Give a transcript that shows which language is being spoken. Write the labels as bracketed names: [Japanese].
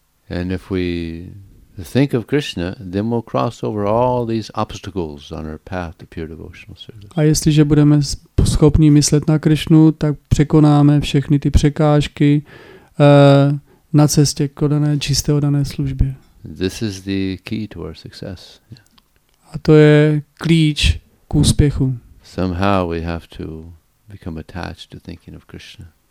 [English] And if we think of Krishna, then we'll cross over all these obstacles on our path to pure devotional service. [Czech] A jestliže budeme schopni myslet na Krišnu, tak překonáme všechny ty překážky na cestě k dané čisté dané službě. [English] This is the key to our success. [Czech] A to je klíč k úspěchu. [English] Somehow we have to become attached to thinking of Krishna.